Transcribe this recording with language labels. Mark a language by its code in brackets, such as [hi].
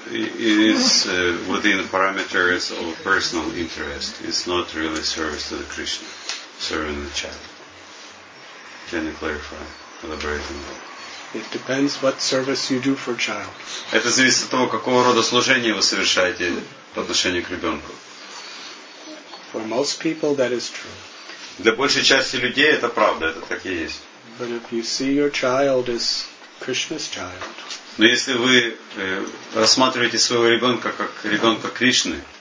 [en] It is within the parameters of personal interest. It's not really service to the Krishna, serving the child. Can you clarify, elaborate on that? It depends what service you do for child. [ru] Это зависит от того, какого рода служение вы совершаете по отношению к ребенку. [en] For most people that is true. [ru] Для большей части людей это правда, это так и есть. [en] But if you see your child as Krishna's child. [ru] Но если вы рассматриваете своего ребенка как ребенка Кришны,